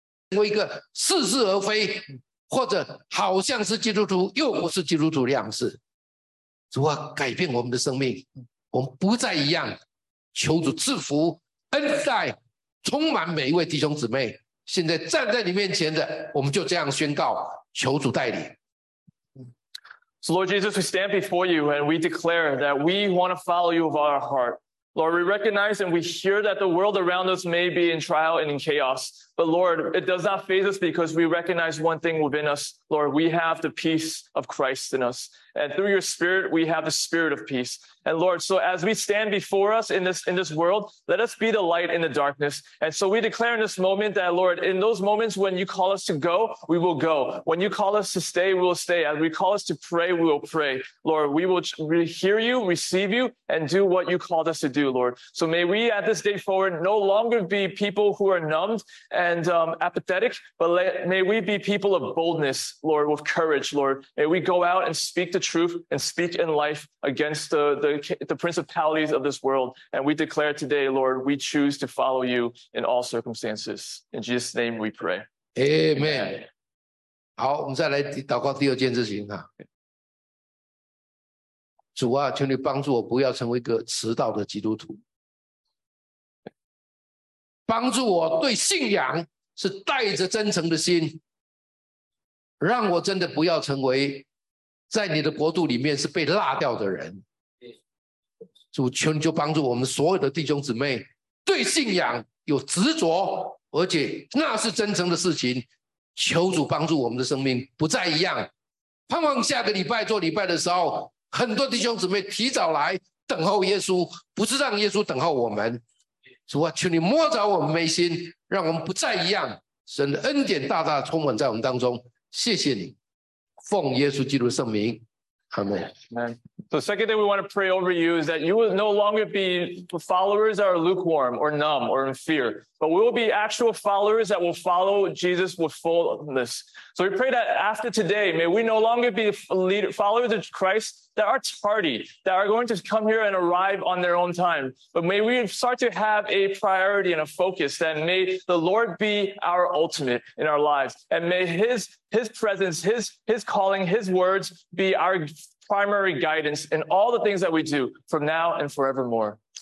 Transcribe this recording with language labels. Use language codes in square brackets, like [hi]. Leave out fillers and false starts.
[zh] 过一个似是而非，或者好像是基督徒又不是基督徒的样式。主啊，改变我们的生命，我们不再一样，求主赐福恩待充满每一位弟兄姊妹，现在站在你面前的，我们就这样宣告，求主带领。 [en] So Lord Jesus, we stand before you and we declare that we want to follow you with our heart. Lord, we recognize and we hear that the world around us may be in trial and in chaos. But Lord, it does not faze us because we recognize one thing within us. Lord, we have the peace of Christ in us. And through your spirit, we have the spirit of peace. And Lord, so as we stand before us in this world, let us be the light in the darkness. And so we declare in this moment that, Lord, in those moments when you call us to go, we will go. When you call us to stay, we will stay. As we call us to pray, we will pray. Lord, we will hear you, receive you, and do what you called us to do, Lord. So may we at this day forward no longer be people who are numbed and apathetic, but may we be people of boldness, Lord, with courage, Lord. May we go out and speak the truth and speak in life against the principalities of this world. And we declare today, Lord, we choose to follow you in all circumstances. In Jesus' name we pray. Amen. [zh] 好，我们再来祷告第二件事情啊。主啊，求你帮助我不要成为一个迟到的基督徒。帮助我对信仰是带着真诚的心，让我真的不要成为在你的国度里面是被落掉的人。主，求你就帮助我们所有的弟兄姊妹对信仰有执着，而且那是真诚的事情。求主帮助我们的生命不再一样，盼望下个礼拜做礼拜的时候，很多弟兄姊妹提早来等候耶稣，不是让耶稣等候我们。主啊，求你摸着我们眉心，让我们不再一样。神的恩典大大充满在我们当中，谢谢你，奉耶稣基督圣名。 Amen. [en] So the second thing we want to pray over you is that you will no longer be followers that are lukewarm or numb or in fear, but we will be actual followers that will follow Jesus with fullness. So we pray that after today, may we no longer be followers of Christ that are tardy, that are going to come here and arrive on their own time, but may we start to have a priority and a focus, that may the Lord be our ultimate in our lives, and may His presence, His calling, His words be our primary guidance in all the things that we do from now and forevermore.